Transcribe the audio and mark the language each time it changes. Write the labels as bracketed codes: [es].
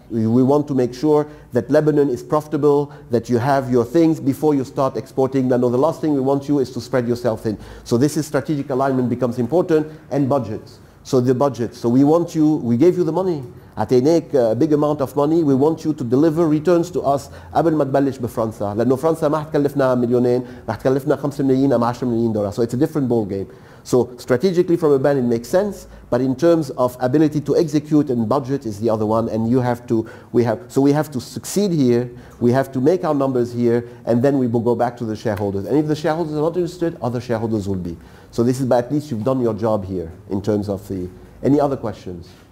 [en] We want to make sure that Lebanon is profitable, that you have your things before you start exporting. I know the last thing we want you is to spread yourself in. So this is strategic alignment becomes important, and budgets. So the budget. So we want you, we gave you the money. [ar] Atenek, [en] a big amount of money. We want you to deliver returns to us. [ar] قبل ما تبلش بفرنسا. لأنه فرنسا ما حتكلفنا مليونين. حتكلفنا 5 مليون أو 10 مليون دولار. [en] So it's a different ball game. So strategically from a band it makes sense, but in terms of ability to execute and budget is the other one, and you have to, we have to succeed here, we have to make our numbers here, and then we will go back to the shareholders. And if the shareholders are not interested, other shareholders will be. So this is, but at least you've done your job here in terms of the, any other questions?